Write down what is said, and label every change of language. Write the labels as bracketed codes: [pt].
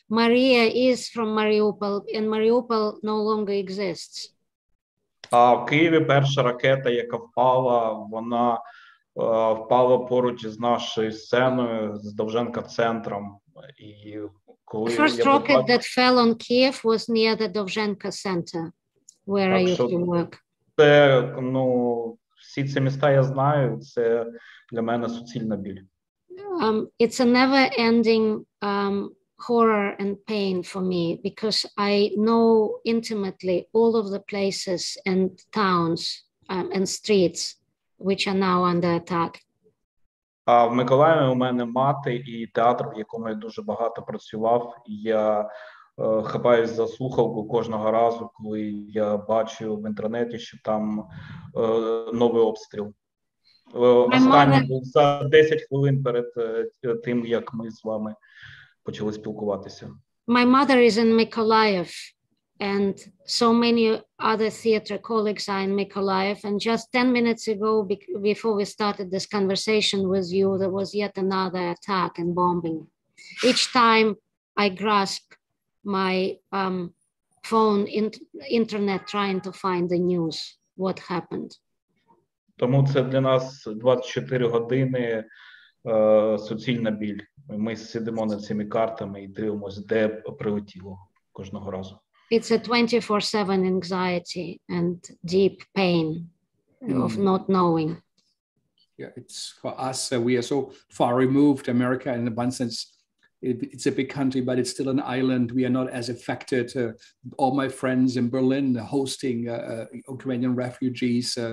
[en] Maria is from Mariupol, and Mariupol no longer exists. [uk] А в Києві перша ракета, яка впала, вона впала поруч із нашою сценою, з Довженко-центром. І коли [en] the first rocket that fell on Kyiv was near the Dovzhenko Center, where I used to work. [uk] Це, ну, всі ці міста я знаю, це для мене суцільна біль. [en] It's a never-ending horror and pain for me, because I know intimately all of the places and towns and streets which are now under attack. [uk] А в Миколаєві у мене мати і театр, в якому я дуже багато працював. Я хапаюсь за слухавку кожного разу, коли я бачу в інтернеті, що там новий обстріл. Останній був за 10 хвилин перед тим, як ми з вами почали спілкуватися. [en] My mother is in Mykolaiv, and so many other theater colleagues are in Mykolaiv. And just 10 minutes ago, before we started this conversation with you, there was yet another attack and bombing. Each time I grasp my phone, internet, trying to find the news, what happened. [uk] Тому це для нас 24 години суцільна біль. Ми сидимо над цими картами і дивимося, де прилетіло кожного разу. [en] It's a 24/7 anxiety and deep pain of not knowing. Yeah, it's for us, we are so far removed, America, in one sense, it's a big country, but it's still an island. We are not as affected. All my friends in Berlin hosting Ukrainian refugees.